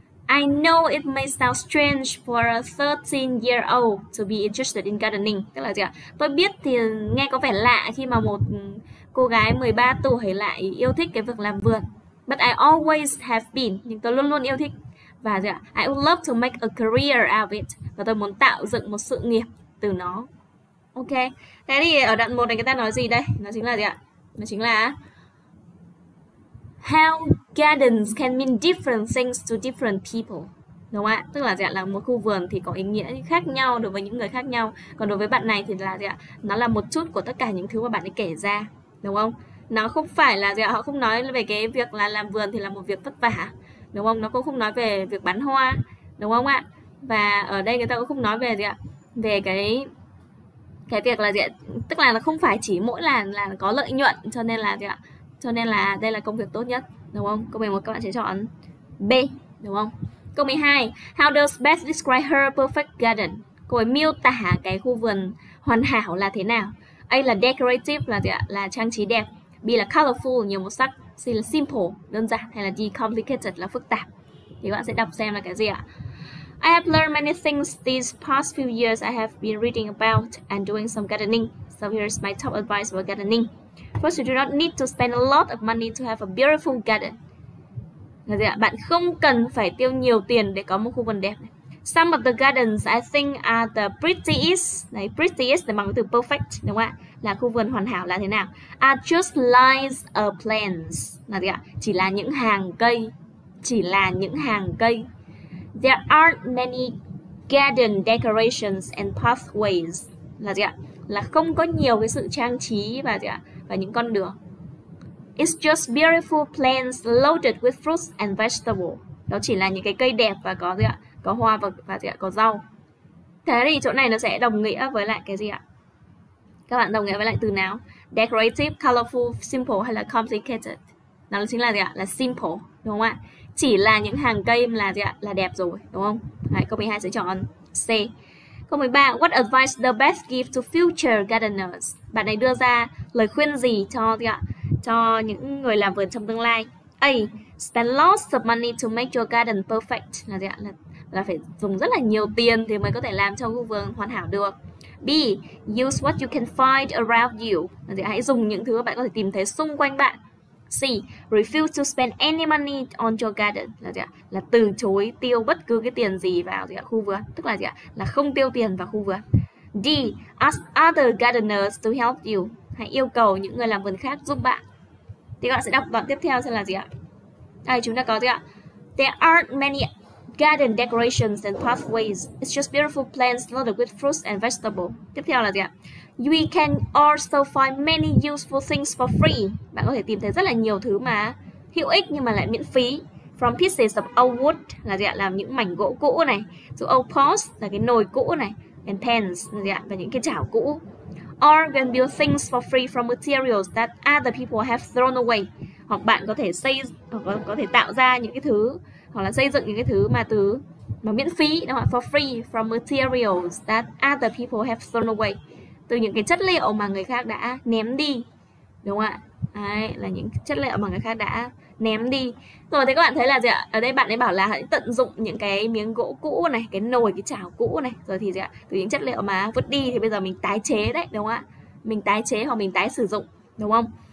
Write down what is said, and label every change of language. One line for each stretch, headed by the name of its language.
English: I know it may sound strange for a 13-year-old to be interested in gardening.
Vietnamese: Tức là gì ạ? Tôi biết thì nghe có vẻ lạ khi mà một cô gái 13 tuổi lại yêu thích cái việc làm vườn.
English: But I always have been.
Vietnamese: Nhưng tôi luôn luôn yêu thích. Và gì ạ?
English: I would love to make a career out of it.
Vietnamese: Và tôi muốn tạo dựng một sự nghiệp từ nó. Ok. Thế thì ở đoạn 1 này người ta nói gì đây? Nó chính là gì ạ? Nó chính là
English: how gardens can mean different things to different people.
Vietnamese: Đúng không ạ? Tức là gì ạ? Là một khu vườn thì có ý nghĩa khác nhau đối với những người khác nhau. Còn đối với bạn này thì là gì ạ? Nó là một chút của tất cả những thứ mà bạn ấy kể ra. Đúng không? Nó không phải là gì ạ? Họ không nói về cái việc là làm vườn thì là một việc vất vả. Đúng không? Nó cũng không nói về việc bán hoa. Đúng không ạ? Và ở đây người ta cũng không nói về gì ạ? Về cái việc là gì ạ? Tức là nó không phải chỉ mỗi là có lợi nhuận cho nên là gì ạ? Cho nên là đây là công việc tốt nhất, đúng không? Câu 11 các bạn sẽ chọn B, đúng không? Câu 12,
English: how does Beth describe her perfect garden?
Vietnamese: Cô ấy miêu tả cái khu vườn hoàn hảo là thế nào? A là decorative là gì ạ? Là trang trí đẹp. B là colorful, nhiều màu sắc. C là simple, đơn giản. Hay là D, complicated, là phức tạp. Thì các bạn sẽ đọc xem là cái gì ạ?
English: I have learned many things these past few years I have been reading about and doing some gardening. So here's my top advice about gardening. First, you do not need to spend a lot of money to have a beautiful garden.
Vietnamese: Bạn không cần phải tiêu nhiều tiền để có một khu vườn đẹp.
English: Some of the gardens I think are the prettiest.
Vietnamese: Này, prettiest là bằng cái từ perfect, đúng không ạ? Là khu vườn hoàn hảo là thế nào?
English: Are just lines of plants.
Vietnamese: Chỉ là những hàng cây. Chỉ là những hàng cây.
English: There aren't many garden decorations and pathways.
Vietnamese: Là gì ạ? Là không có nhiều cái sự trang trí và gì ạ? Và những con đường.
English: It's just beautiful plants loaded with fruits and vegetables.
Vietnamese: Đó chỉ là những cái cây đẹp và có gì ạ? Có hoa và gì ạ? Có rau. Thế thì chỗ này nó sẽ đồng nghĩa với lại cái gì ạ? Các bạn đồng nghĩa với lại từ nào? Decorative, colorful, simple hay là complicated? Nó chính là gì ạ? Là simple, đúng không ạ? Chỉ là những hàng cây là gì ạ? Là đẹp rồi, đúng không? Đấy, câu 12 sẽ chọn C. Câu 13,
English: what advice the best give to future gardeners?
Vietnamese: Bạn này đưa ra lời khuyên gì cho gì ạ? Cho những người làm vườn trong tương lai?
English: A, spend lots of money to make your garden perfect.
Vietnamese: Là gì ạ? Là phải dùng rất là nhiều tiền thì mới có thể làm cho khu vườn hoàn hảo được. B.
English: Use what you can find around you.
Vietnamese: Thì hãy dùng những thứ bạn có thể tìm thấy xung quanh bạn. C.
English: Refuse to spend any money on your garden.
Vietnamese: Là từ chối tiêu bất cứ cái tiền gì vào khu vườn. Tức là gì ạ? Là không tiêu tiền vào khu vườn. D.
English: Ask other gardeners to help you.
Vietnamese: Hãy yêu cầu những người làm vườn khác giúp bạn. Thì các bạn sẽ đọc đoạn tiếp theo xem là gì ạ? Đây, chúng ta có gì ạ?
English: There aren't many garden decorations and pathways. It's just beautiful plants loaded with fruits and vegetables.
Vietnamese: Tiếp theo là gì ạ?
English: We can also find many useful things for free.
Vietnamese: Bạn có thể tìm thấy rất là nhiều thứ mà hữu ích nhưng mà lại miễn phí.
English: From pieces of old wood,
Vietnamese: là gì ạ? Là những mảnh gỗ cũ này.
English: To old pots,
Vietnamese: là cái nồi cũ này.
English: And pans,
Vietnamese: là gì ạ? Và những cái chảo cũ.
English: Or you can build things for free from materials that other people have thrown away.
Vietnamese: Hoặc bạn có thể xây, hoặc có thể tạo ra những cái thứ, hoặc là xây dựng những cái thứ mà từ mà miễn phí, đúng không?
English: For free from materials that other people have thrown away.
Vietnamese: Từ những cái chất liệu mà người khác đã ném đi, đúng không ạ? Đấy, là những chất liệu mà người khác đã ném đi. Rồi thì các bạn thấy là gì ạ? Ở đây bạn ấy bảo là hãy tận dụng những cái miếng gỗ cũ này, cái nồi, cái chảo cũ này. Rồi thì gì ạ? Từ những chất liệu mà vứt đi thì bây giờ mình tái chế đấy, đúng không ạ? Mình tái chế hoặc mình tái sử dụng, đúng không?